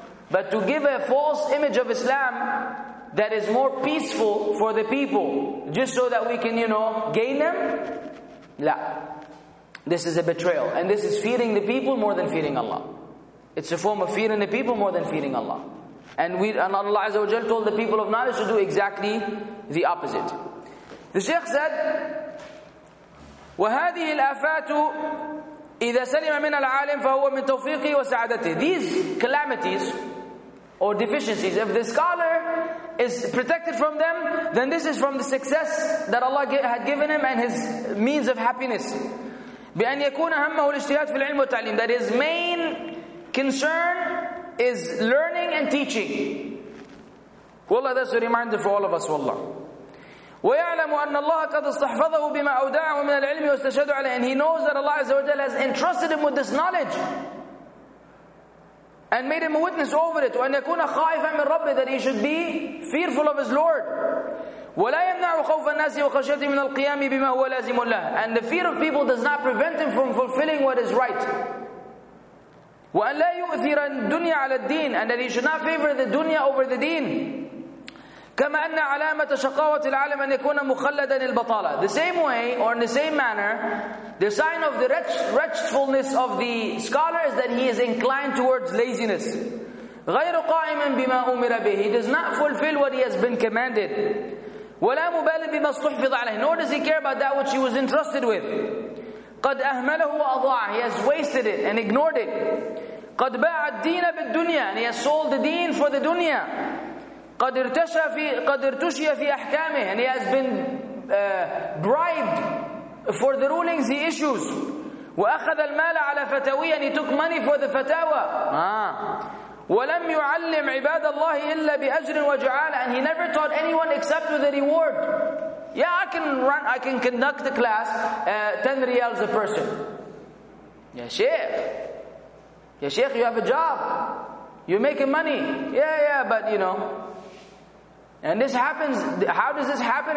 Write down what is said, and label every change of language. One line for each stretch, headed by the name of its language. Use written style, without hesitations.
English: But to give a false image of Islam that is more peaceful for the people, just so that we can, you know, gain them. La. This is a betrayal. And this is fearing the people more than fearing Allah. It's a form of fearing the people more than fearing Allah. And Allah Azza wa Jal told the people of knowledge to do exactly the opposite. The Shaykh said,
Arabic: وَهَذِهِ الْآفَاتُ إِذَا سَلِمَ مِنَ الْعَالِمِ فَهُوَ مِنْ تَوْفِيقِهِ وَسَعَدَتِهِ.
English: These calamities or deficiencies, if the scholar is protected from them, then this is from the success that Allah had given him and his means of happiness.
Arabic: بأن يكون همه الاجتهاد في العلم والتعليم.
English: That his main concern is learning and teaching. والله, that's a reminder for all of us, والله.
Arabic: ويعلم أن الله قد استحفظه بما أودعه من العلم واستشهد عليه.
English: And he knows that Allah Azza wa Jalla has entrusted him with this knowledge and made him a witness over it.
Arabic: وأن يكون خائفا من ربه,
English: that he should be fearful of his Lord.
Arabic: ولا يمنع خوف الناس وخشيته من القيام بما هو لازم له.
English: And the fear of people does not prevent him from fulfilling what is right.
Arabic: وأن لا يؤثر الدنيا على الدين.
English: And that he should not favor the dunya over the deen.
Arabic: كما أن علامة شقاوة العالم أن يكون مخلدا البطالة.
English: The same way or in the same manner, the sign of the wretchedness of the scholar is that he is inclined towards laziness.
Arabic: غير قائما بما أمر به.
English: He does not fulfill what he has been commanded.
Arabic: ولا مبالي بما استحفظ عليه.
English: Nor does he care about that which he was entrusted with.
Arabic: قد أهمله وأضاع.
English: He has wasted it and ignored it.
Arabic: قد باع الدين بالدنيا.
English: And he has sold the deen for the dunya.
Arabic: قد ارتشي في أحكامه.
English: And he has been bribed for the rulings he issues.
Arabic: وأخذ المال على فتاوي.
English: And he took money for the fatawa.
Arabic: ولم يعلم عباد الله إلا بأجر وجعالة.
English: And he never taught anyone except with a reward. Yeah, I can conduct the class 10 riyals a person. Ya Sheikh, you have a job. You're making money. Yeah, but you know. And this happens, how does this happen?